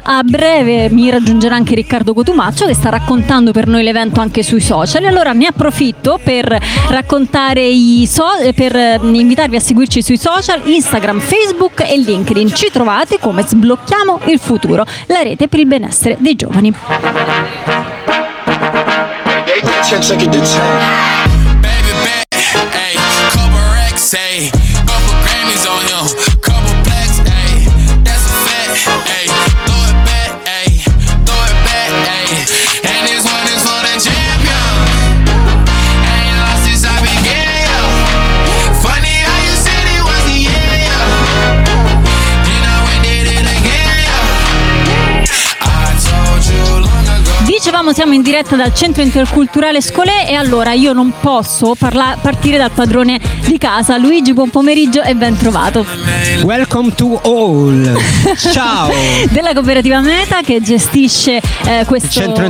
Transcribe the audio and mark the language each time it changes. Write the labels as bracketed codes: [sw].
[it] A breve mi raggiungerà anche Riccardo Cotumaccio, che sta raccontando per noi l'evento anche sui social. Allora ne approfitto per raccontare per invitarvi a seguirci sui social, Instagram, Facebook e LinkedIn. Ci trovate come Sblocchiamo il Futuro, la rete per il benessere dei giovani. [en] Baby back, ayy, couple X, ayy, couple Grammys on him, couple plaques, ayy, that's a fact, ayy, throw it back, ayy, and this one is for the champion, ain't lost since I began, yo, funny how you said it was the end, yo, then I went did it again, yo, I told you long ago. [it] Dicevamo siamo in diretta dal Centro Interculturale Scolè e allora io non posso partire dal padrone di casa. Luigi, buon pomeriggio e ben trovato. [en] Welcome to all. [it] Ciao. Della cooperativa Meta che gestisce questo